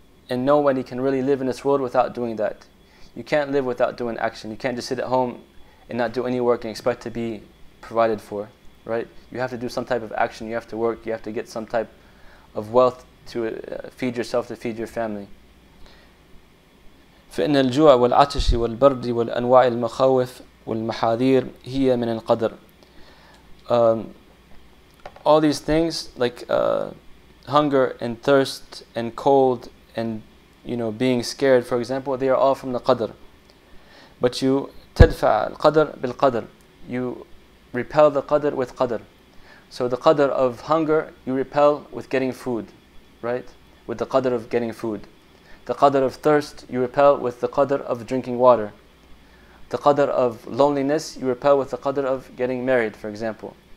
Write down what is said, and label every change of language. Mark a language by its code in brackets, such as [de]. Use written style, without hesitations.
[en] And nobody can really live in this world without doing that. You can't live without doing action. You can't just sit at home and not do any work and expect to be provided for, right? You have to do some type of action. You have to work. You have to get some type of wealth to feed yourself, to feed your family. [ar] فإن الجوع والعطش والبرد والأنواع المخاوف والمحاذير هي من القدر. [en] All these things, like hunger and thirst and cold and, you know, being scared, for example, they are all from the qadr. But you [ar] تدفع القدر بالقدر. [en] You repel the qadr with qadr. So the qadr of hunger, you repel with getting food, right? With the qadr of getting food. The qadr of thirst, you repel with the qadr of drinking water. The qadr of loneliness, you repel with the qadr of getting married, for example.